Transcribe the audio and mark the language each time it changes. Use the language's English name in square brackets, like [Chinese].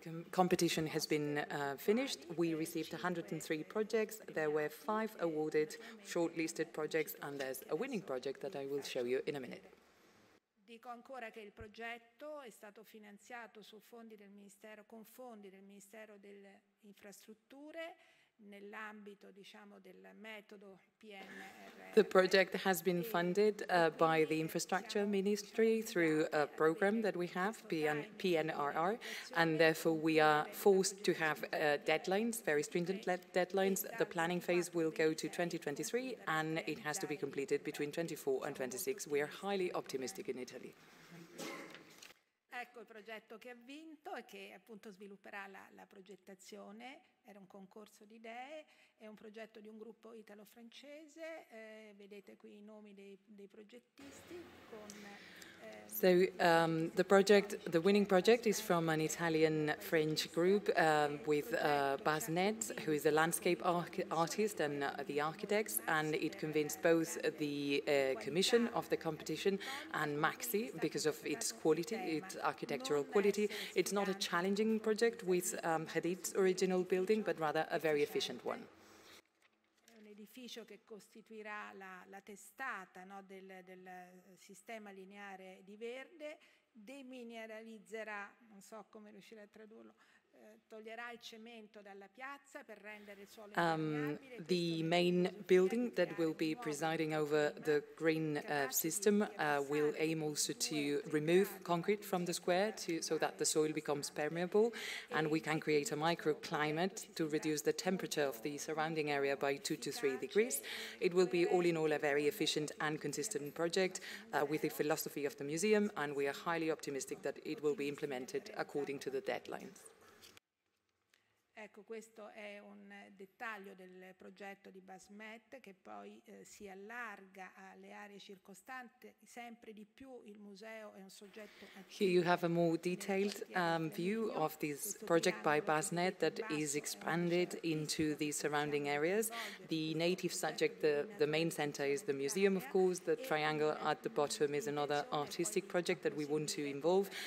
[English] Competition has been finished. We received 103 projects. There were 5 awarded shortlisted projects, and there's a winning project that I will show you in a minute. [Italian] Dico ancora che il progetto è stato finanziato su fondi del Ministero, con fondi del Ministero delle Infrastrutture, nell'ambito, diciamo, del metodo PNRR. [English] The project has been funded by the Infrastructure Ministry through a program that we have, PNRR, and therefore we are forced to have deadlines, very stringent deadlines. The planning phase will go to 2023, and it has to be completed between 2024 and 2026. We are highly optimistic in Italy. [Italian] ecco il progetto che ha vinto e che appunto svilupperà la progettazione. Era un concorso di idee, è un progetto di un gruppo italo-francese, vedete qui i nomi dei progettisti con... [English] So the project, the winning project, is from an Italian-French group with Basnet, who is a landscape artist and the architects, and it convinced both the commission of the competition and MAXXI because of its quality, its architectural quality. It's not a challenging project with Hadid's original building, but rather a very efficient one. [Italian] Edificio che costituirà la testata, no, del sistema lineare di verde, demineralizzerà, non so come riuscire a tradurlo, toglierà il cemento dalla piazza per rendere il suolo impermeabile. [English] The main building that will be presiding over the green system will aim also to remove concrete from the square so that the soil becomes permeable and we can create a microclimate to reduce the temperature of the surrounding area by 2 to 3 degrees. It will be all in all a very efficient and consistent project with the philosophy of the museum, and we are highly optimistic that it will be implemented according to the deadlines. [Italian] Ecco, questo è un dettaglio del progetto di Basmet che poi si allarga alle aree circostanti. Sempre di più il museo è un soggetto attivo. [English] Here you have a more detailed view of this project by Basnet that is expanded into the surrounding areas. The native subject, the main center, is the museum, of course. The triangle at the bottom is another artistic project that we want to involve.